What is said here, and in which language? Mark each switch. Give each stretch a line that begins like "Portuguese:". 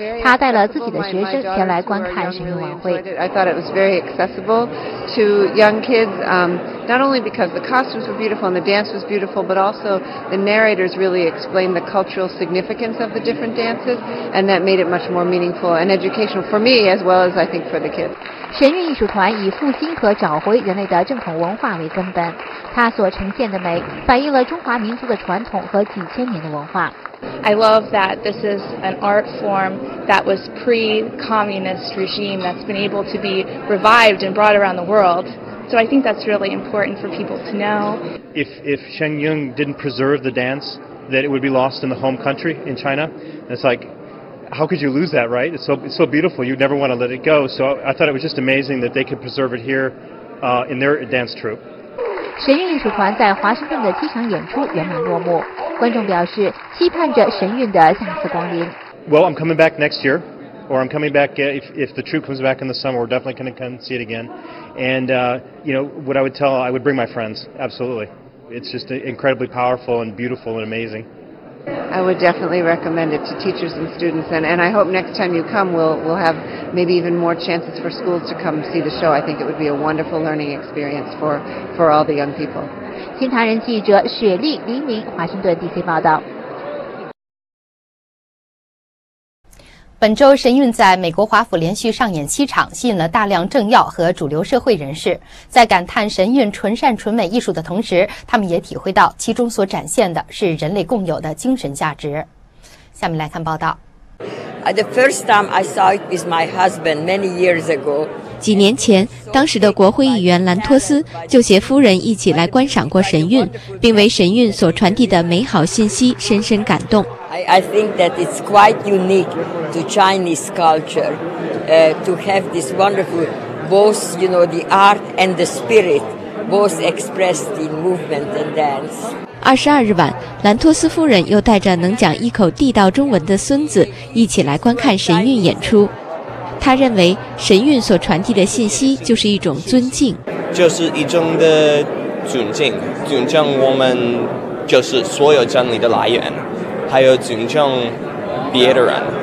Chinese: 他带了自己的学生前来观看神韵晚会。
English: I thought it was very accessible to young kids, not only because the costumes were beautiful and the dance was beautiful, but also the narrators really explained the cultural significance of the different dances, and that made it much more meaningful and educational for me as well as I think for the kids.
Chinese: 神韵艺术团以复兴和找回人类的正统文化为根本，它所呈现的美反映了中华民族的传统和几千年的文化。
English: I love that this is an art form that was pre-communist regime that's been able to be revived and brought around the world. So I think that's really important for people to know. If Shen Yun didn't preserve the dance, that it would be lost in the home country, in China. It's like, how could you lose that, right? It's so beautiful, you'd never want to let it go. So I thought it was just amazing that they could preserve it here, in their dance troupe.
Chinese: 神韵艺术团在华盛顿的七场演出圆满落幕，观众表示期盼着神韵的下次光临。
English: Well, I'm coming back next year, or I'm coming back if the troupe comes back in the summer, we're definitely going to come see it again. And you know what I would tell, I would bring my friends, absolutely. It's just incredibly powerful and beautiful and amazing. I would definitely recommend it to teachers and students, and I hope next time you come, we'll have maybe even more chances for schools to come see the show. I think it would be a wonderful learning experience for all the young people.
Chinese: 新唐人记者雪莉黎明，华盛顿 DC 报道。本周神韵在美国华府连续上演七场，吸引了大量政要和主流社会人士。在感叹神韵纯善纯美艺术的同时，他们也体会到其中所展现的是人类共有的精神价值。下面来看报道。
English: The first time I saw it with my husband many years ago.
Chinese: 几年前，当时的国会议员兰托斯就携夫人一起来观赏过神韵，并为神韵所传递的美好信息深深感动。
English: I think that it's quite unique to Chinese culture, to have this wonderful, both, you know, the art and the spirit, both expressed in movement and dance.
Chinese: 22日晚，兰托斯夫人又带着能讲一口地道中文的孙子一起来观看神韵演出。他认为神韵所传递的信息就是一种尊敬，就是一种的尊敬，尊重我们就是所有真理的来源，还有尊重别的人。